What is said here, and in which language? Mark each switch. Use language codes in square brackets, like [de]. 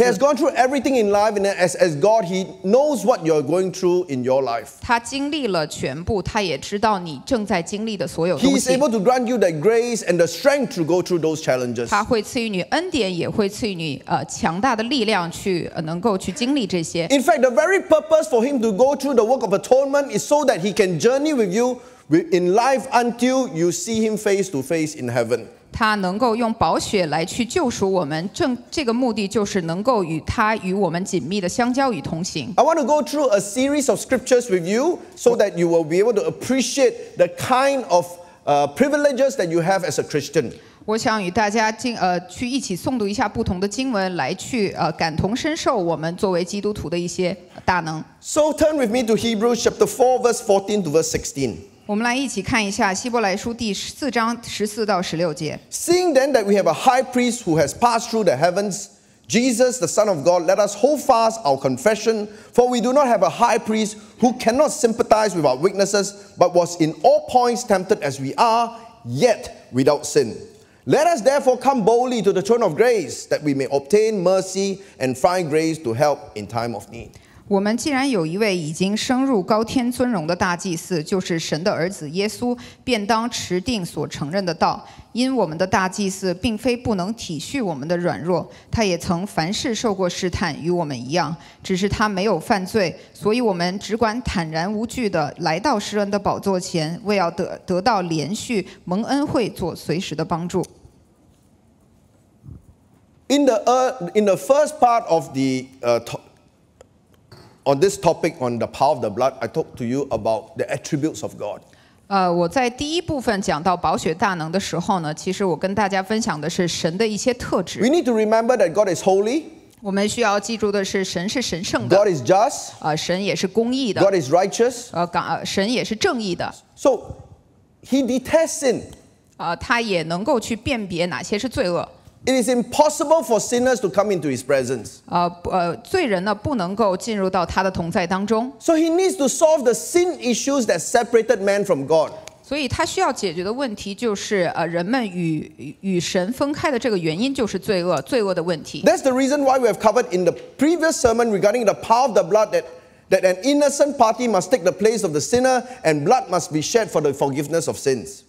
[en] He has gone through everything in life, and as God, he knows what you're going through in your life. [zh] 他经历了全部，他也知道你正在经历的所有东西。 [en] He is able to grant you the grace and the strength to go through those challenges. [zh] 他会赐予你恩典，也会赐予你强大的力量去能够去经历这些。 [en] In fact, the very purpose for him to go through the work of atonement is so that he can journey with you in life until you see him face to face in heaven. [zh] 他能够用宝血来去救赎我们，这个目的就是能够与他与我们紧密的相交与同行。 [en] I want to go through a series of scriptures with you so that you will be able to appreciate the kind of privileges that you have as a Christian. [zh] 我想与大家去一起诵读一下不同的经文，来去感同身受我们作为基督徒的一些大能。 [en] So turn with me to Hebrews chapter 4 verse 14 to verse 16. [zh] 我们来一起看一下希伯来书第四章十四到十六节。 [en] Seeing then that we have a high priest who has passed through the heavens, Jesus the Son of God, let us hold fast our confession, for we do not have a high priest who cannot sympathize with our weaknesses, but was in all points tempted as we are, yet without sin. Let us therefore come boldly to the throne of grace, that we may obtain mercy and find grace to help in time of need. [zh] 我们既然有一位已经升入高天尊荣的大祭司，就是神的儿子耶稣，便当持定所承认的道。因我们的大祭司并非不能体恤我们的软弱，他也曾凡事受过试探，与我们一样，只是他没有犯罪，所以我们只管坦然无惧地来到施恩的宝座前，为要 得到连续蒙恩惠，做随时的帮助。 [en] In the first part of the on this topic on the power of the blood, I talked to you about the attributes of God. [zh] 我在第一部分讲到宝血大能的时候呢，其实我跟大家分享的是神的一些特质。 [en] We need to remember that God is holy. [zh] 我们需要记住的是神是神圣的。 [en] God is just. [zh] 神也是公义的。 [en] God is righteous. [zh] 神也是正义的。 [en] So he detests sin. [zh] 他也能够去辨别哪些是罪恶。 [en] It is impossible for sinners to come into his presence. [zh] 罪人呢不能够进入到他的同在当中。 [en] So he needs to solve the sin issues that separated man from God. [zh] 所以他需要解决的问题就是人们与神分开的这个原因就是罪恶的问题。 [en] That's the reason why we have covered in the previous sermon regarding the power of the blood that that an innocent party must take the place of the sinner and blood must be shed for the forgiveness of sins.